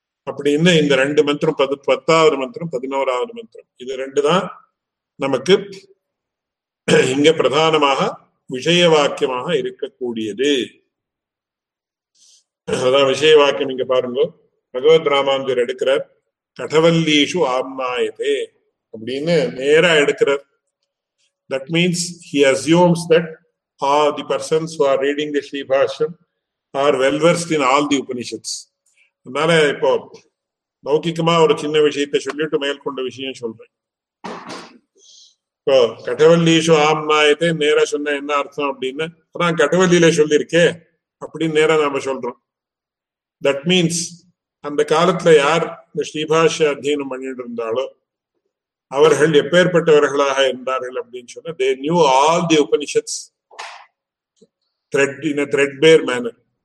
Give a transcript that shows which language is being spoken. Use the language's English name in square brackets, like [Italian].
[Tamil] அப்படின்னு இந்த ரெண்டு மந்திரம், 10வது மந்திரம் 11வது மந்திரம், இது ரெண்டு தான் நமக்கு இங்க பிரதானமாக விஷய வாக்கியமாக இருக்கக்கூடியது. அதான் விஷய வாக்கியம். இங்க பாருங்க, பகவத் ராமானுஜர் எடுக்கிறார் கடவல்லீஷு ஆம்நாயதே அப்படின்னு நேரா எடுக்கிறார். [English] That means he assumes that or the persons who are reading the shrIbhAShyam are well versed in all the Upanishads. [Tamil] அதனால இப்போ லௌகிகமா ஒரு சின்ன விஷயத்தை சொல்லிட்டு மேல் கொண்ட விஷயம் சொல்றேன். இப்போ கடவுளீஷு ஆம்னாயத்தை நேரா சொன்ன என்ன அர்த்தம் அப்படின்னு நான் கடவுளில சொல்லியிருக்கே அப்படின்னு நேரா நாம சொல்றோம். [English] that means [Tamil] அந்த காலத்துல யார் இந்த ஸ்ரீபாஷ்ய அத்தியனம் பண்ணிட்டு இருந்தாலோ அவர்கள் எப்பேற்பட்டவர்களாக இருந்தார்கள் அப்படின்னு சொன்ன [English] They knew all the Upanishads thread in a threadbare manner.